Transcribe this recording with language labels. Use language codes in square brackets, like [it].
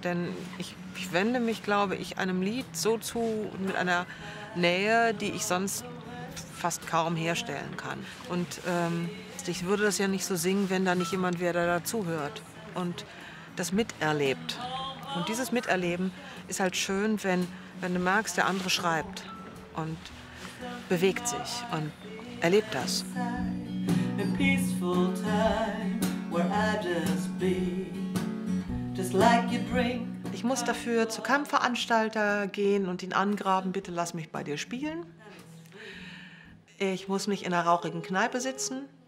[de] Denn ich wende mich, glaube ich, einem Lied so zu, mit einer Nähe, die ich sonst fast kaum herstellen kann. Und ich würde das ja nicht so singen, wenn da nicht jemand wäre, der dazuhört und das miterlebt. Und dieses Miterleben ist halt schön, wenn du merkst, der andere schreibt und bewegt sich und erlebt das. [en] A peaceful time where I just be, just like you bring. [de] Ich muss dafür zu keinem Veranstalter gehen und ihn angraben, bitte lass mich bei dir spielen. Ich muss nicht in einer rauchigen Kneipe sitzen.